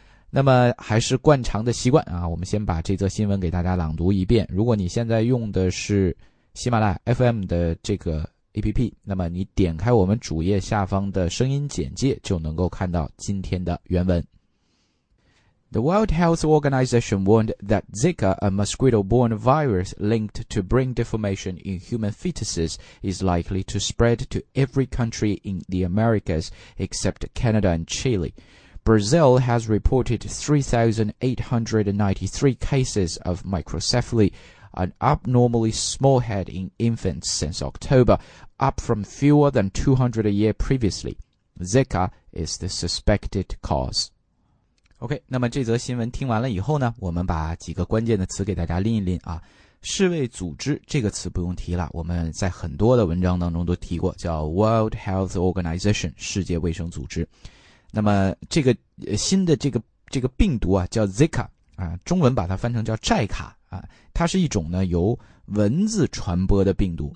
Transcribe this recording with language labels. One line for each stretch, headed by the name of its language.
Chinese: 那么还是惯常的习惯啊，我们先把这则新闻给大家朗读一遍。如果你现在用的是喜马拉雅 FM 的这个 APP， 那么你点开我们主页下方的声音简介就能够看到今天的原文。
English: The World Health Organization warned that Zika, a mosquito-borne virus linked to brain deformation in human fetuses, is likely to spread to every country in the Americas except Canada and Chile. Brazil has reported 3,893 cases of microcephaly, an abnormally small head in infants since October, up from fewer than 200 a year previously. Zika is the suspected cause.
Chinese: OK， 那么这则新闻听完了以后呢，我们把几个关键的词给大家拎一拎啊。世卫组织这个词不用提了，我们在很多的文章当中都提过，叫 World Health Organization， 世界卫生组织。那么这个新的这个病毒啊，叫 Zika 啊，中文把它翻成叫寨卡啊，它是一种呢由蚊子传播的病毒。